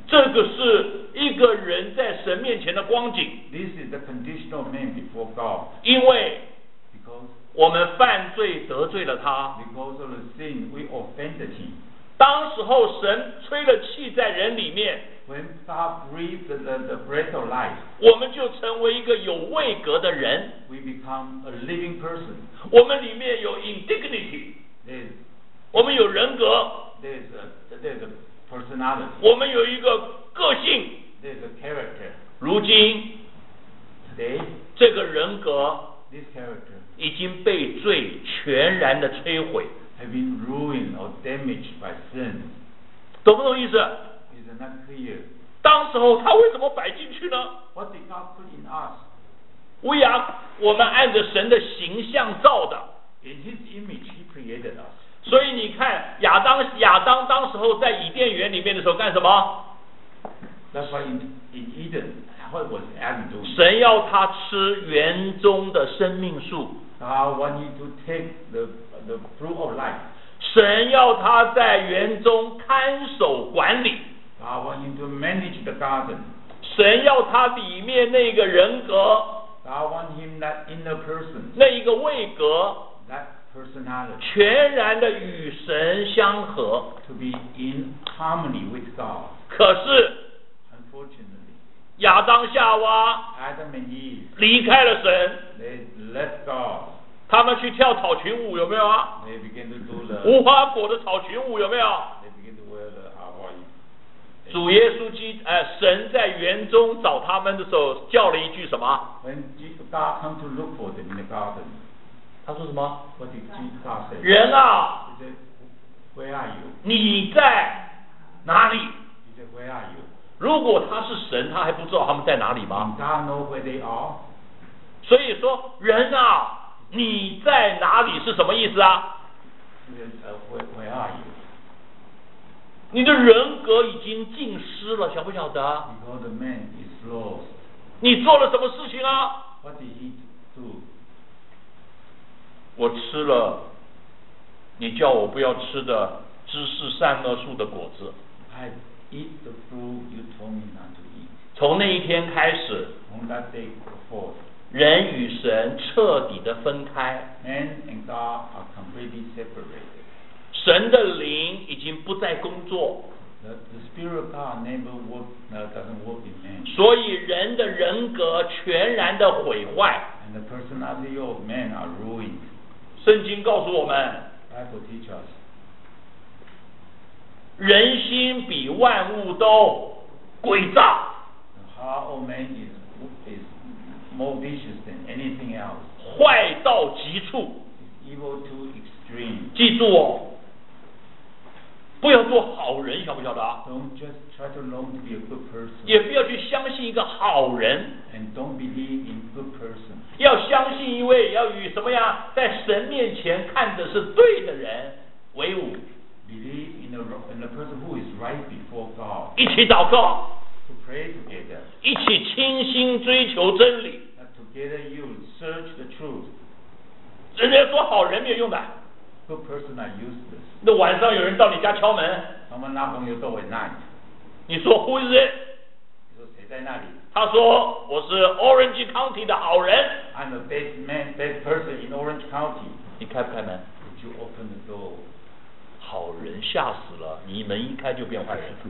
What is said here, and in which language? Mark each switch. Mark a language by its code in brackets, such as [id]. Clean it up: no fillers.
[zh] 这个是一个人在神面前的光景 [en] This is the condition of man before God. [zh] 因为 [en] Because [zh] 我们犯罪得罪了他 [en] Because of the sin, we offended him. [zh] 当时候神吹了气在人里面 [en] When God breathed the breath of life [zh] 我们就成为一个有位格的人 [en] We become a living person [zh] 我们里面有 indignity 我们有人格 [en] There's a personality [zh] 我们有一个个性 [en] There's a character [zh] 如今 [en] Today [zh] 这个人格 [en] This character [zh] 已经被罪全然的摧毁 [en] Have been ruined or damaged by sin. [zh] 懂不懂意思 [en] Is it not clear? [zh] 当时候他为什么摆进去呢 [en] What did God put in us? We are, [zh] 我们按着神的形象造的 [en] In His image, He created us. [zh] 所以你看亚当当时候在伊甸园里面的时候干什么 [en] That's why in Eden, what was Adam doing? [zh] 神要他吃园中的生命树 [en] God wanted to take the fruit of life. [zh] 神要他在园中看守管理。 [en] God wants him to manage the garden. [zh] 神要他里面那个人格。 [en] God wants him that inner person. [zh] 那一个位格。 [en] That personality. [zh] 全然的与神相合。 [en] To be in harmony with God. [zh] 可是 [en] ，Unfortunately， [zh] 亚当夏娃 [en] ，Adam and Eve， [zh] 离开了神。 [en] They left God. [zh] 他们去跳草裙舞有没有啊 [en] They begin to do the, [zh] 无花果的草裙舞有没有 [en] They begin to wear the Hawaii. [zh] 主耶稣基神在园中找他们的时候叫了一句什么 [en] When God come to look for them in the garden, [zh] 他说什么 [en] What did Jesus God say? [zh] 人啊 [en] He said, Where are you? [zh] 你在哪里 [en] He said, Where are you? [zh] 如果他是神他还不知道他们在哪里吗 [en] Did God know where they are? [zh] 所以说人啊你在哪里是什么意思啊 [en] Where are you? [zh] 你的人格已经尽失了晓不晓得 [en] Because the man is lost [zh] 你做了什么事情啊 [en] What did he do? [zh] 我吃了你叫我不要吃的知识善恶树的果子 [en] I eat the fruit you told me not to eat [zh] 从那一天开始 [en] From that day before [zh] 人与神彻底的分开 [en] Man and God are completely separated. [zh] 神的灵已经不再工作 [en] the spirit of God never doesn't work in man. [zh] 所以人的人格全然的毁坏 [en] And the personality of man are ruined. [zh] 圣经告诉我们 [en] Bible teach us. [zh] 人心比万物都诡诈 [en] The heart of man is more vicious than anything else [zh] 坏到极处 [en] evil to extreme [zh] 记住哦不要做好人晓不晓得 [en] don't just try to learn to be a good person [zh] 也不要去相信一个好人 [en] and don't believe in good person [zh] 要相信一位要与什么呀在神面前看的是对的人为伍 [en] believe in the person who is right before God [zh] 一起祷告 [en] Pray together. [zh] 一起倾心追求真理。 [en] That together you search the truth. [zh] 人家说好人没有用的。 [en] Good person are useless. [zh] 那晚上有人到你家敲门。 [en] Someone knock on your door at night. [zh] 你说 [en] who is it? [zh] 你说谁在那里？他他说我是 Orange County 的好人。 [en] I'm the best man, best person in Orange County. [zh] 你开不开门？ [en] Would you open the door? [zh] 好人吓死了，你门一开就变坏人。